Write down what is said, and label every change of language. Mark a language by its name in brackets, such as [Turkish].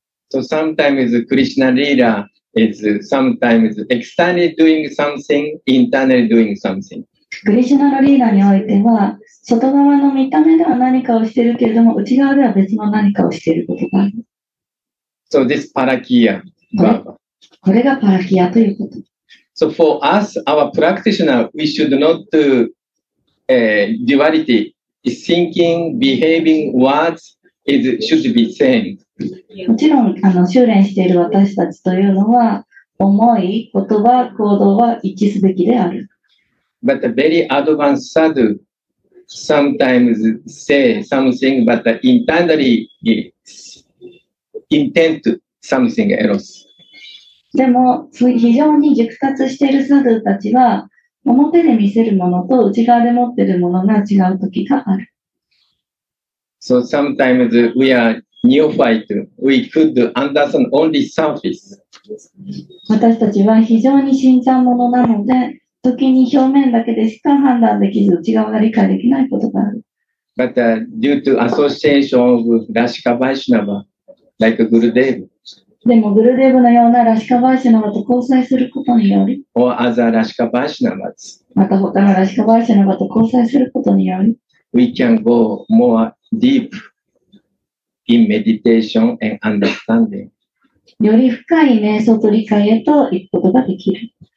[English] So sometimes Krishna Leela is sometimes externally doing something, internally doing something. [Japanese] クリシュナのリーダーにおいては外側の見た目では何かをしているけれども内側では別の何かをしていることがある。 [English] So this parakia, [Japanese] これがパラキアということ。 [English] So for us, our practitioner, we should not duality, thinking, behaving, words is should be same. [Japanese] もちろん修練している私たちというのは思い、言葉、行動は一致すべきである。 [English] But the very advanced sadhu sometimes say something, but the internally intend something else. [Japanese] でも非常に熟達しているサドゥたちは表で見せるものと内側で持っているものが違う時がある。 [English] So sometimes we are neophyte. We could understand only surface. [Japanese] 私たちは非常に新参者なので時に表面だけでしか判断できず、内側が理解できないことがある。 [English] But, due to association of Rashika Vaishnava, like Gurudev. [Japanese] でも、グルデーブのようなラシカ・バイシナバと交際することにより。 [English] Or other Rashika Vaishnavas. [Japanese] また他のラシカ・バイシナバと交際することにより。 [English] We can go more deep in meditation and understanding. [Japanese] より深い瞑想と理解へと行くことができる。